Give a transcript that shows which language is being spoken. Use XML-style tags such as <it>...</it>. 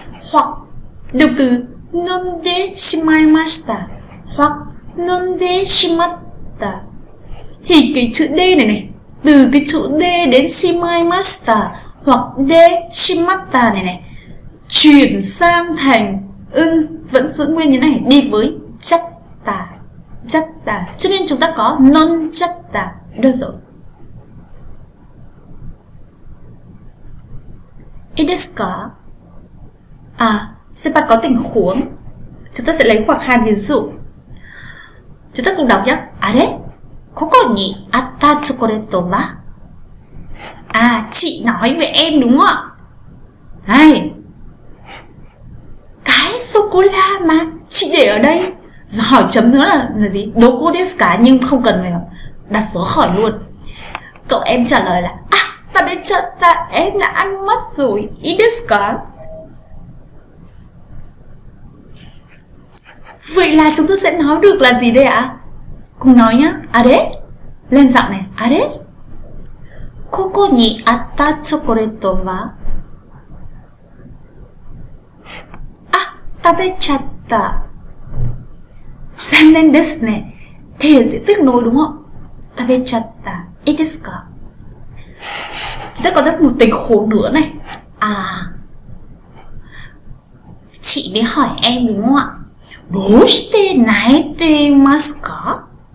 <vi>hoặc động từ 飲んでしまいました hoặc 飲んでしまった thì cái chữ D này này, từ cái chữ D đến しまいました hoặc でしまった này này chuyển sang thành ưng vẫn giữ nguyên như này, đi với ちゃった ちゃった cho nên chúng ta có 飲んじゃった được rồi.</vi> <ja>いいですか?</ja> <vi>À, sẽ bắt có tình huống. Chúng ta sẽ lấy khoảng 2 ví dụ. Chúng ta cùng đọc nhé. あれ?</vi> <ja>ここにあったチョコレートは?</ja> <vi>À, chị nói với em đúng không ạ? Ai? Cái sô-cô-la mà chị để ở đây. Giờ hỏi chấm nữa là gì?</vi> <ja>どこですか?</ja> <vi>Nhưng không cần phải đặt dấu hỏi luôn. Cậu em trả lời là à, ta bị chật ta, em đã ăn mất rồi.</vi> <ja>いいですか?</ja> <vi>Vậy là chúng ta sẽ nói được là gì đây ạ? Cùng nói nhá. あれ?Lên giọng này. あれ?</vi> <ja>ここにあったチョコレートは? À, 食べちゃった. 残念ですね.</ja> <vi>Thế sẽ tiếc nuối đúng không?</vi> <ja>食べちゃった. いいですか?</ja> <vi>Chúng ta có thêm một tình huống nữa này. À, chị đi hỏi em đúng không ạ?</vi> <ja>どうして泣いていますか?</ja>